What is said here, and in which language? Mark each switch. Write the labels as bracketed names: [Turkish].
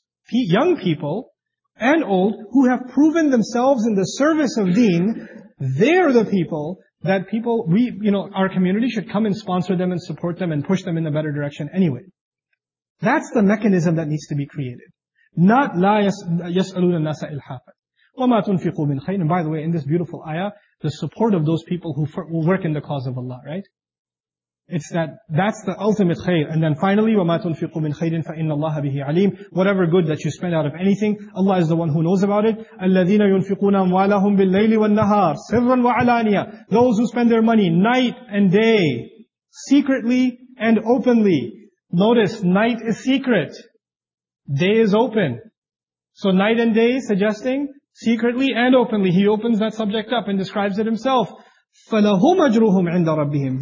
[English] Young people and old who have proven themselves in the service of deen, they're the people that people, we, you know, our community should come and sponsor them and support them and push them in a better direction anyway. That's the mechanism that needs to be created. Not [Arabic] لا يسألون الناس إلحافا. وما تنفقوا من خير. [English] And by the way, in this beautiful ayah, the support of those people who work in the cause of Allah, right? It's that's the ultimate khair. And then finally, [Arabic] وما تنفقوا من خير فإن الله به عليم. [English] Whatever good that you spend out of anything, Allah is the one who knows about it. [Arabic] الذين ينفقون أموالهم بالليل والنهار سرا وعلانية. [English] Those who spend their money night and day, secretly and openly. Notice, night is secret. Day is open. So night and day, suggesting, secretly and openly, he opens that subject up and describes it himself. [Arabic] فَلَهُمْ أَجْرُهُمْ عِنْدَ رَبِّهِمْ.